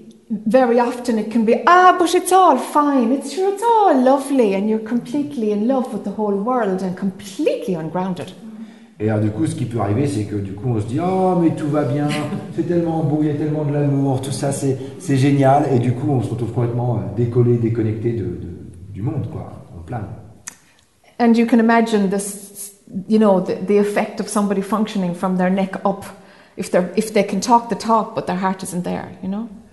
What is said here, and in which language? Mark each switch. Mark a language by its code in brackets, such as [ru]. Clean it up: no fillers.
[en] Very often it can be, but it's all fine, it's sure it's all lovely, and you're completely in love with the whole world and completely ungrounded. [fr] Et alors, du coup, ce qui peut arriver, c'est que du coup, on se dit, mais tout va bien, c'est tellement beau, il y a tellement de l'amour, tout ça, c'est génial, et du coup, on se retrouve complètement décollé, déconnecté du monde, quoi, on plane. [en] And you can imagine this, you know, the effect of somebody functioning from their neck up, if they can talk the talk, but their heart isn't there, you know.